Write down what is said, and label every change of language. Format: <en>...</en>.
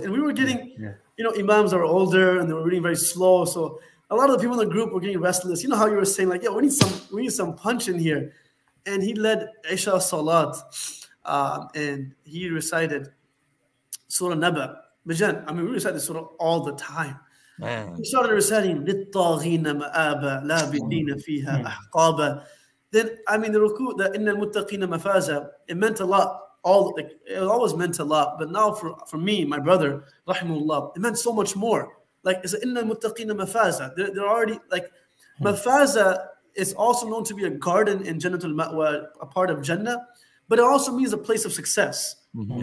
<en>And we were getting, you know, imams are older, and they were reading very slow, so a lot of the people in the group were getting restless. You know how you were saying, like, yeah, we need some punch in here. And he led Isha Salat, and he recited Surah Naba. Bajan, I mean, we recite the Surah all the time. Man. He started reciting,</en> <ar>لِلطَّاغِينَ مَآبَ لَا بِدِينَ فِيهَا أَحْقَابَ.</ar> <en>Then, I mean, the ruku, the</en> <ar>إِنَّ الْمُتَّقِينَ مَفَازَ,</ar> <en>it meant a lot. It always meant a lot. But now for me, my brother, rahimullah, it meant so much more. Like, it's inna muttaqina mafaza. They're already, like, mafaza is also known to be a garden in Jannat al-Ma'wa, a part of Jannah, but it also means a place of success. Mm-hmm.</en>